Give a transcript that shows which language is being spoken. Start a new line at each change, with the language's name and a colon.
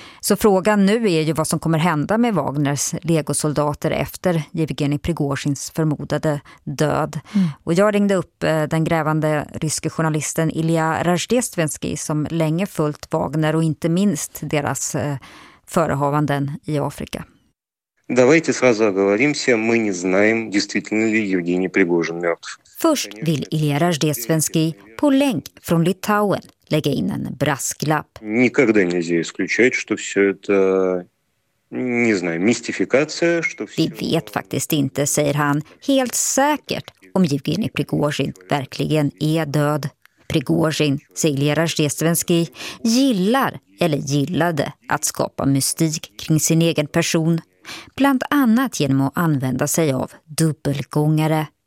Swedish: Så frågan nu är ju vad som kommer hända med Wagners legosoldater efter Yevgeni Prigozjins förmodade död. Mm. Och jag ringde upp den grävande ryske journalisten Ilja Rajdestvensky, som länge följt Wagner och inte minst deras förehavanden i Afrika.
Russian: Давайте сразу оговоримся, мы не знаем, действительно ли Евгений Пригожин мёртв.
Swedish: Först vill Ilja Rajdestvensky på länk från Litauen lägga in en brasklapp.
Russian: Никогда нельзя исключать, что всё это не знаю, мистификация, что всё.
Swedish: Vi vet faktiskt inte, säger han, helt säkert om Евгений Пригожин verkligen är död. Prigozjin, säger Ilja Rajdestvensky, gillar eller gillade att skapa mystik kring sin egen person, bland annat genom att använda sig av dubbelgångare.